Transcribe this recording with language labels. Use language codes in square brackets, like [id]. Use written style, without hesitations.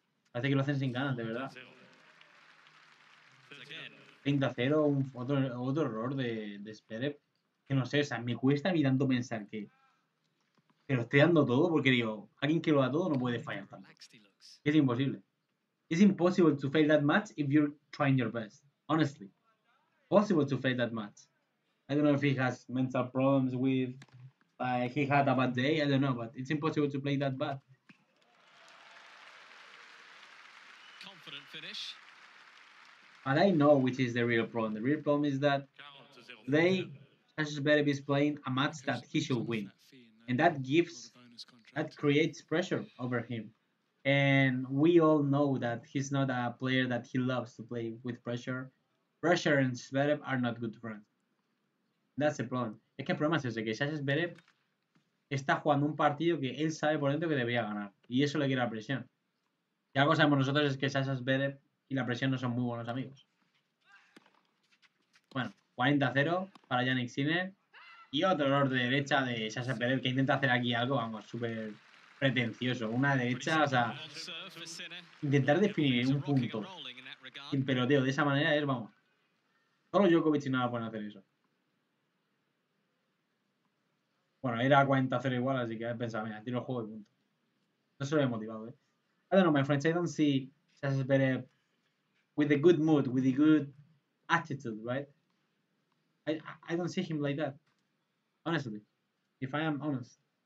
[es] Parece que lo hacen sin ganas, de verdad. 30-0, otro error de Zverev. Que no sé, o sea, me cuesta a mí tanto pensar que... Pero estoy dando todo porque digo, alguien que lo da todo no puede fallar tanto. Es imposible. [en] It's impossible to fail that match if you're trying your best. Honestly. Possible to fail that match. I don't know if he has mental problems with... he had a bad day. I don't know, but it's impossible to play that bad. Confident finish. But I know which is the real problem. The real problem is that today, Sasha Zverev is playing a match that he should win. And that gives... That creates pressure over him. And we all know that he's not a player that he loves to play with pressure. Pressure and Zverev are not good friends. That's the problem. [es] Es que el problema es ese, que Sasha Zverev está jugando un partido que él sabe por dentro que debería ganar. Y eso le quiere la presión. Y algo sabemos nosotros es que Sasha Zverev y la presión no son muy buenos amigos. Bueno, 40-0 para Jannik Sinner. Y otro error de derecha de Sasha Zverev que intenta hacer aquí algo, vamos, súper... pretencioso, una derecha, o sea, intentar definir un punto sin peloteo de esa manera es, vamos, solo Djokovic y nada pueden hacer eso. Bueno, era 40-0 igual, así que pensaba, mira, tiro el juego y punto. No se lo he motivado, eh. [en] I don't know, my friends, I don't see Sasha Zverev with a good mood, with a good attitude, right? I don't see him like that, honestly, if I am honest.